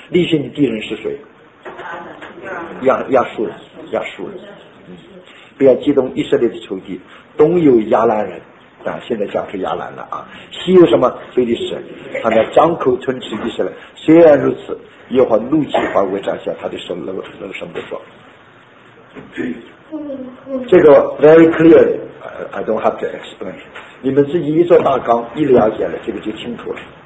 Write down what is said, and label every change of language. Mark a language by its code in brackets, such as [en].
[zh] 立信的敌人是谁？亚述人、不要激动，以色列的仇敌，东有亚兰人啊，现在讲出亚兰了啊，西有什么？非利士人，他们张口吞吃以色列。虽然如此，耶和华怒气发威，展现他的手，那个什么不说。这个 [en] very clear， I don't have to explain。 [zh] 你们自己一做大纲，一了解了，这个就清楚了。